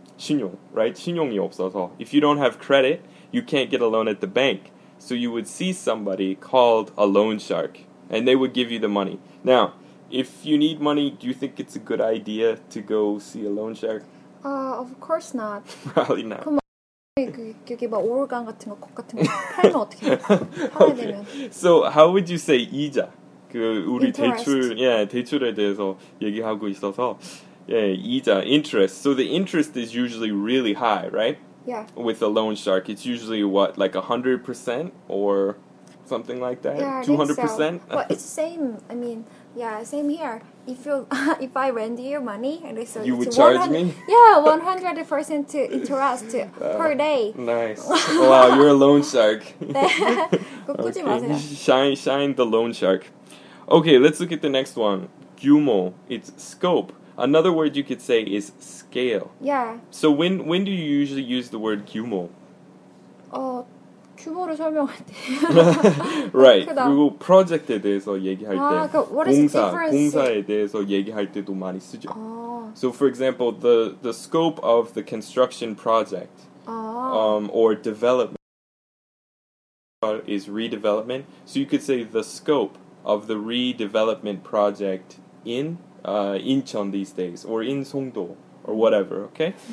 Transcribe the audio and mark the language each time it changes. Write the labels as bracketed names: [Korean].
[Korean] 신용, [English] right? [Korean] 신용이 없어서. [English] If you don't have credit, you can't get a loan at the bank. So you would see somebody called a loan shark, and they would give you the money. Now, if you need money, do you think it's a good idea to go see a loan shark? Of course not. Probably not. Come on. [Korean] 여기 막 오르간 같은 거, 콕 같은 거 팔면 어떻게 해요? 팔아야 되면. [English] So how would you say 이자? 그 우리 interest. [Korean] 대출, 예, 대출에 대해서 얘기하고 있어서, 예, 이자, interest. [English] So the interest is usually really high, right? Yeah. With a loan shark, it's usually what, like 100% or something like that? Yeah, 200%? So. Well, it's same, I mean, yeah, same here. If I lend you money, and so you would charge me? Yeah, 100% interest per day. Nice. Wow, you're a loan shark. [Korean] 네, 꾸꾸지 마세요. [English] Shine the loan shark. Okay, let's look at the next one. 규모, it's scope. Another word you could say is scale. Yeah. So when do you usually use the word 규모? [Korean] 규모를 설명할 때. [English] Right. [Korean] 그리고 프로젝트에 대해서 얘기할 때. [English] 공사, what is the difference? [Korean] 공사에 대해서 얘기할 때도 많이 쓰죠. [English] Oh. So for example, the scope of the construction project or development is redevelopment. So you could say the scope of the redevelopment project in Incheon these days, or in Songdo, or whatever, okay?